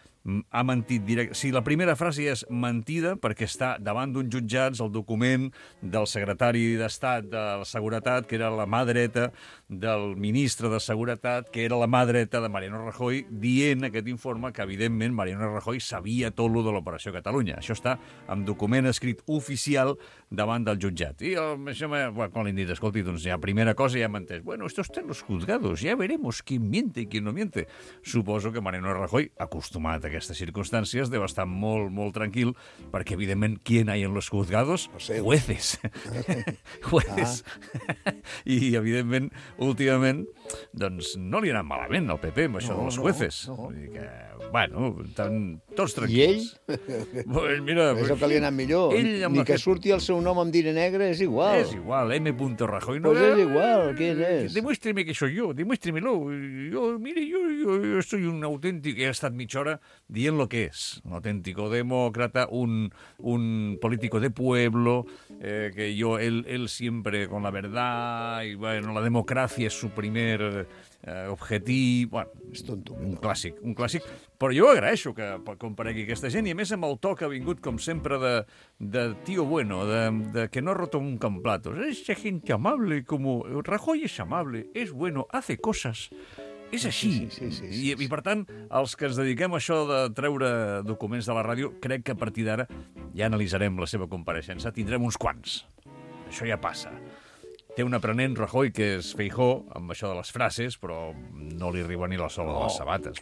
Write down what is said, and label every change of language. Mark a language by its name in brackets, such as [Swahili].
[Catalan] ha mentit directe. Si la primera frase és mentida, perquè està davant d'uns jutjats el document del secretari d'Estat de la Seguretat, que era la mà dreta del ministre de Seguretat, que era la mà dreta de Mariano Rajoy, dient aquest informe que, evidentment, Mariano Rajoy sabia tot lo de l'Operació Catalunya. Això està en document escrit oficial davant del jutjat. I el, això, quan li han dit, escolti, doncs ja, primera cosa ja menteix. [Spanish] Bueno, esto está en los juzgados, ya veremos quién miente y quién no miente. [Catalan] Suposo que Mariano Rajoy, acostumat d'aquestes circumstàncies, deu estar molt, molt tranquil, perquè, evidentment, qui hi ha [Spanish] en los juzgados? Jueces. Jueces. [Catalan] Ah. I, evidentment, últimament, doncs, no li anà malament al PP amb això dels jueces. No. Vull dir que, bueno, tan, tots tranquils. I ell? [Spanish] Pues mira, [Catalan] és el que li ha anat millor. Ell, ni que fet... surti el seu nom amb diner negre, és igual. És igual, M. Rajoy. No, pues és igual, què és? [Spanish] Demuéstrame que soy yo, demuéstremelo. Yo, mire, yo soy un autèntic, [Catalan] he estat mitja hora dient lo que és, [Spanish] un auténtico demócrata, un político de pueblo, que yo, él siempre con la verdad, y bueno, la democracia es su primer objetivo, bueno, es tonto, [Catalan] un clàssic, un clàssic. Però jo agraeixo que comparegui aquesta gent, i a més amb el to que ha vingut, com sempre, [Spanish] de tío bueno, de que no ha roto un camplato. Esa gente amable, como Rajoy es amable, es bueno, hace cosas. [Catalan] És així. Sí. I, per tant, els que ens dediquem a això de treure documents de la ràdio, crec que a partir d'ara ja analitzarem la seva compareixença. Tindrem uns quants. Això ja passa. Té un aprenent, Rajoy, que és Feijóo, amb això de les frases, però no li arriba ni la sola de les sabates.